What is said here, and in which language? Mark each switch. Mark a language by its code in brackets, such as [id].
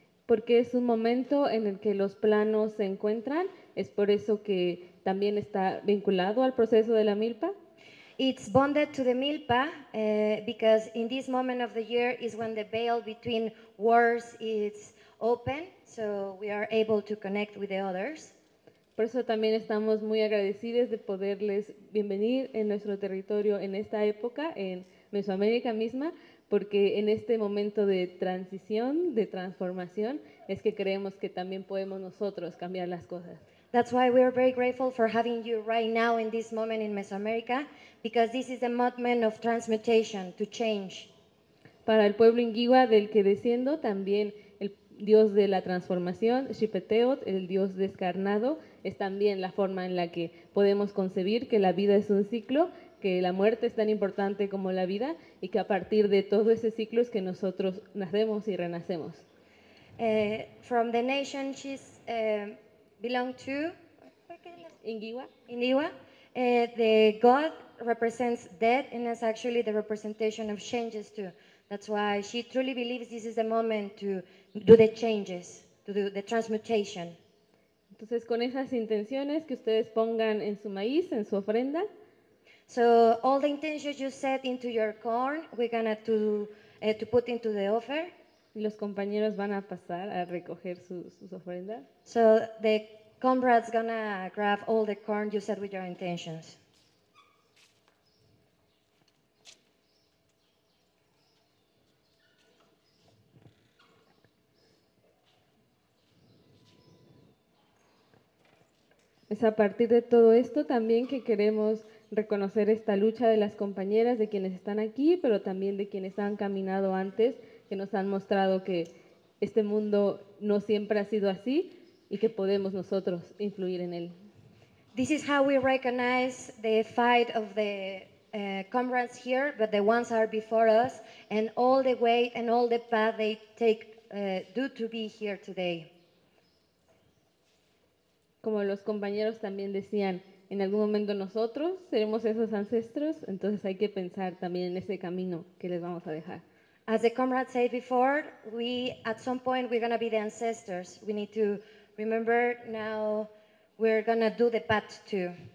[es] Porque es un momento en el que los planos se encuentran, es por eso que también está vinculado al proceso de la milpa. [en] It's bonded to the milpa because in this moment of the year is when the veil between wars is open, so we are able to connect with the others. [es] Por eso también estamos muy agradecidos de poderles bienvenir en nuestro territorio en esta época, en Mesoamérica misma, porque en este momento de transición, de transformación, es que creemos que también podemos nosotros cambiar las cosas. [en] That's why we are very grateful for having you right now in this moment in Mesoamérica, because this is a moment of transmutation, to change. [es] Para el pueblo Ingiwa del que desciendo, también el dios de la transformación, Xipeteot, el dios descarnado, es también la forma en la que podemos concebir que la vida es un ciclo, que la muerte es tan importante como la vida y que a partir de todo ese ciclo es que nosotros nacemos y renacemos. [en] From the nation she's belong to Ingiwa. Ingiwa, the god represents death and is actually the representation of changes too. That's why she truly believes this is the moment to do the changes, to do the transmutation. [es] Entonces, con esas intenciones que ustedes pongan en su maíz, en su ofrenda. [en] So all the intentions you set into your corn, we're gonna to put into the offer. [es] Y los compañeros van a pasar a recoger sus ofrendas. [en] So the comrades gonna grab all the corn you set with your intentions. [es] Es a partir de todo esto también que queremos reconocer esta lucha de las compañeras, de quienes están aquí, pero también de quienes han caminado antes, que nos han mostrado que este mundo no siempre ha sido así y que podemos nosotros influir en él. [en] This is how we recognize the fight of the comrades here, but the ones are before us, and all the way and all the path they take due to be here today. [es] Como los compañeros también decían, en algún momento nosotros seremos esos ancestros, entonces hay que pensar también en ese camino que les vamos a dejar. [en] As the comrades said before, we at some point we're going to be the ancestors. We need to remember now we're going to do the path too.